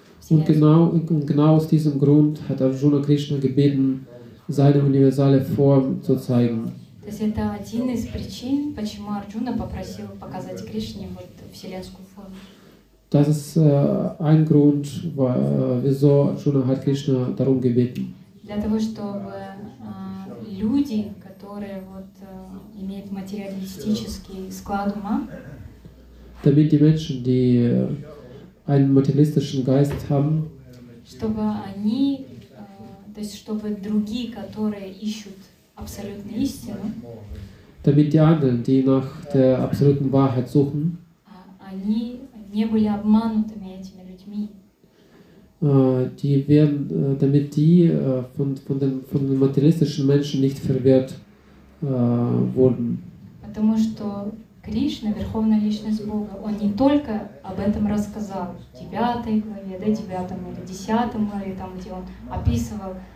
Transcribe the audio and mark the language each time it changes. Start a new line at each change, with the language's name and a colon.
German: Und genau aus diesem Grund hat Arjuna Krishna gebeten, seine universale Form zu zeigen.
Russian: То есть это один из причин, почему Арджуна попросил показать Кришне вот вселенскую форму.
German: Das ist ein Grund, wieso Arjuna hat Krishna darum gebeten.
Russian: Для того, чтобы люди, которые вот имеют материалистический склад ума,
German: damit die Menschen, die einen materialistischen Geist haben,
Russian: чтобы они, то есть чтобы другие, которые ищут абсолютную истину,
German: damit die anderen, die nach der absoluten Wahrheit suchen,
Russian: они не были обманутыми этими людьми.
German: Die werden, damit die von den materialistischen Menschen nicht verwehrt wurden.
Russian: Потому что Кришна, Верховная Личность Бога, Он не только об этом рассказал в 9 главе, да, 9 или 10 главе, там, где Он описывал